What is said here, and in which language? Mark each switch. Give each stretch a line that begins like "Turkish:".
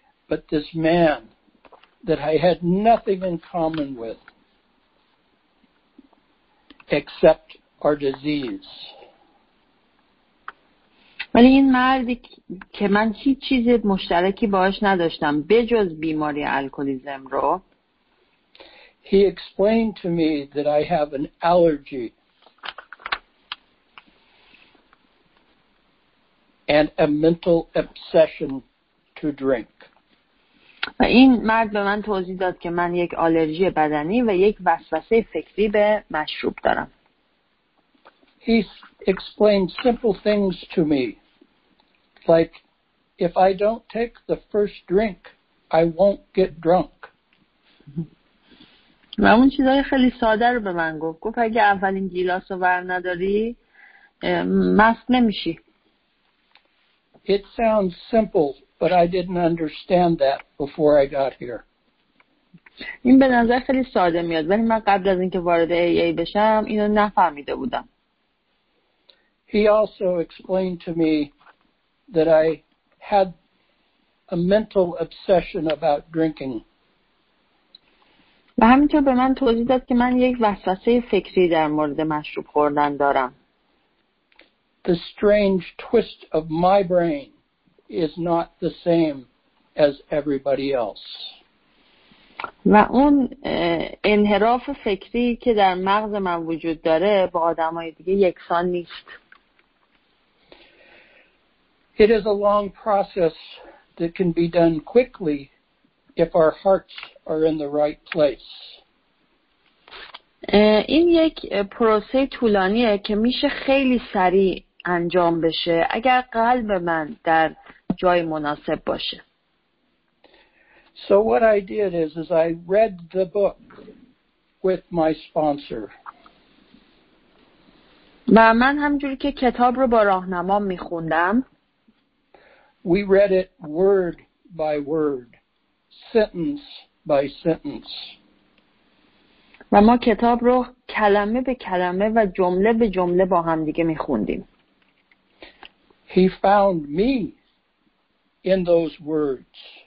English: But this man that I had nothing in common with except our disease.
Persian: ولی این مردی که من هیچ چیز مشترکی باهاش نداشتم بجز بیماری الکلیسم رو.
English: He explained to me that I have an allergy and a mental obsession to drink.
Persian: و این مرد به من توضیح داد که من یک آلرژی بدنی و یک وسوسه فکری به مشروب دارم.
English: He explained simple things to me. Like, if I don't take the first drink, I won't get drunk.
Persian: و اون چیزای خیلی ساده رو به من گفت. گفت اگه اولین گیلاس رو بر نداری، مست نمیشی.
English: It sounds simple, but I didn't understand that before I got here.
Persian: این به نظر خیلی ساده میاد، ولی من قبل از اینکه وارد AA بشم، اینو نفهمیده بودم.
English: He also explained to me that I had a mental obsession about drinking.
Persian: و همینطور به من توضیح داد که من یک وسوسه فکری در مورد مشروب خوردن دارم.
English: The strange twist of my brain is not the same as everybody else.
Persian: و اون انحراف فکری که در مغز من وجود داره با آدمای دیگه یکسان نیست.
English: It is a long process that can be done quickly if our hearts are in the right place.
Persian: این یک پروسه طولانیه که میشه خیلی سریع انجام بشه اگر قلب من در جای مناسب باشه.
English: So what I did is I read the book with my sponsor.
Persian: و من همجوری که کتاب رو با راهنما میخوندم.
English: We read it word by word, sentence by sentence.
Persian: و ما کتاب رو کلمه به کلمه و جمله به جمله با هم دیگه میخوندیم.
English: He found me in those words.